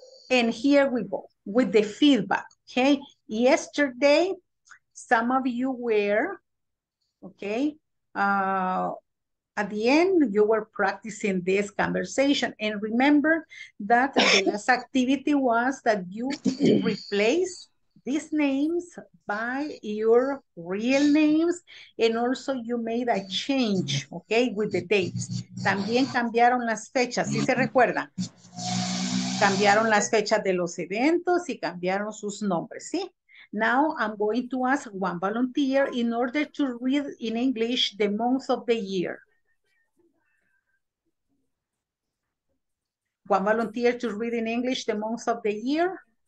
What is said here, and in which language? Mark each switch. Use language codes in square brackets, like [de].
[en] And here we go with the feedback, okay? Yesterday, some of you were, okay, at the end, you were practicing this conversation. And remember that the last activity was that you replace these names by your real names. And also you made a change, okay, with the dates. [es] También cambiaron las fechas, ¿sí se recuerdan? Cambiaron las fechas de los eventos y cambiaron sus nombres, ¿sí? [en] Now I'm going to ask one volunteer in order to read in English the month of the year. One volunteer to read in English the months of the year.